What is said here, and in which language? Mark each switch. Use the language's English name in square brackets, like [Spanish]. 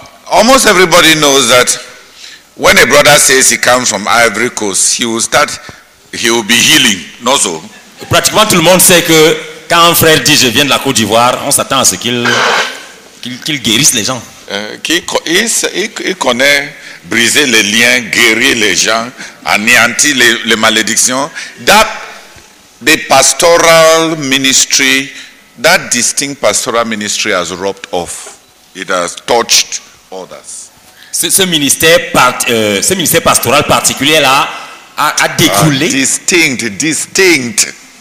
[English] Almost everybody knows that when a brother says he comes from Ivory Coast, he will be healing. Not so. [French] Pratiquement tout le monde sait que quand un frère dit je viens de la Côte d'Ivoire, on s'attend à ce qu'il guérisse les gens. Il connaît briser les liens, guérir les gens, anéantir les malédictions. [English] That the pastoral ministry, that distinct pastoral ministry has rubbed off. It has touched others. [French] Ce ministère pastoral particulier là a découlé. [English] Distinct.